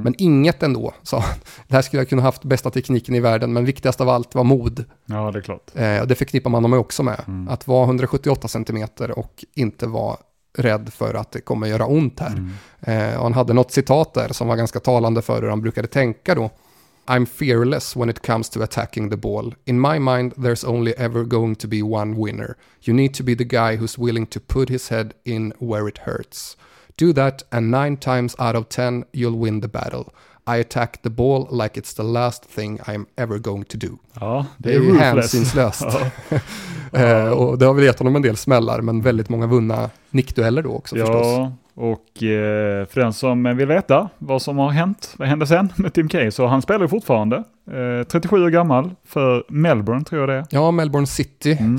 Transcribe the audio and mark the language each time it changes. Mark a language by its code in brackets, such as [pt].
[sv] Men inget ändå, sa han. Det här skulle jag kunna haft bästa tekniken i världen, men viktigast av allt var mod. Ja, det är klart. Det förknippar man dem också med. Mm. Att vara 178 centimeter och inte vara rädd för att det kommer göra ont här. Mm. Och han hade något citat där som var ganska talande för hur han brukade tänka då. [en] I'm fearless when it comes to attacking the ball. In my mind there's only ever going to be one winner. You need to be the guy who's willing to put his head in where it hurts. Do that and 9 times out of 10 you'll win the battle. I attack the ball like it's the last thing I'm ever going to do. [sv] Ja, det är hänsynslöst. Ja. Och det har väl gett honom en del smällar, men väldigt många vunna nickdueller då också, ja, förstås. Och för den som vill veta vad som har hänt, vad hände sen med Tim Cahill, så han spelar fortfarande. 37 år gammal för Melbourne, tror jag det är. Ja, Melbourne City. Mm.